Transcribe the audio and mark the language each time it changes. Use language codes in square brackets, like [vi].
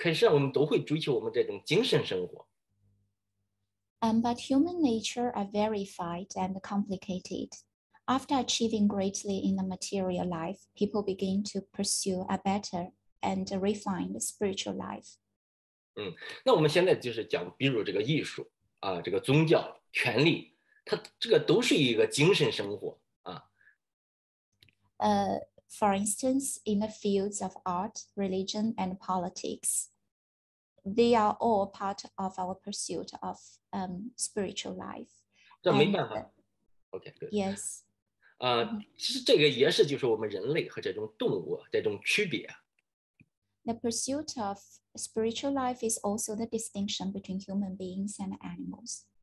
[zh] 但是另外，我们说是拿的，哎，拿的很，就是另外一个角度来看，就是，但是我们人性它又是多元的，那个人性啊，它是非常复杂的。就是我们人类啊，有了这种物质生活，我们之前讲了，有这种物质生活以后，就做我们自己，那开始让我们都会追求我们这种精神生活。 [en] But human nature are very fine and complicated. After achieving greatly in the material life, people begin to pursue a better and refined spiritual life. [zh] 那我们现在就是讲，比如这个艺术，这个宗教、权力，它这个都是一个精神生活。 [en] For instance, in the fields of art, religion, and politics, they are all part of our pursuit of spiritual life. [zh] 这没办法。 [en] OK, good. Yes. [zh] 其实这个也是就是我们人类和这种动物这种区别。 [en] The pursuit of spiritual life is also the distinction between human beings and animals.